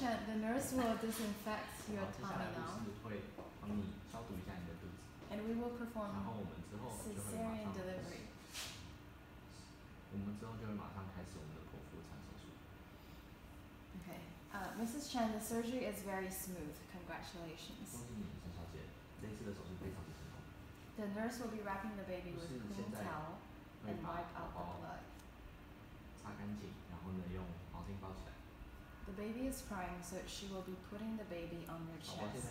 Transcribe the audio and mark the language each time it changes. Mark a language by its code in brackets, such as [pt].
[en] Chen, the nurse will disinfect your tummy now. [zh] 好，接下来就是会帮你消毒一下你的肚子。 [en] And we will perform cesarean delivery. [zh] 我们之后就会马上开始我们的剖腹产手术。 [en] Okay, Mrs. Chen, the surgery is very smooth. Congratulations. [zh] 恭喜你，陈小姐，这一次的手术非常的成功。 [en] The nurse will be wrapping the baby with clean towel and wipe out the blood. [zh] 擦干净，然后呢，用毛巾包起来。 [en] The baby is crying, so she will be putting the baby on your chest.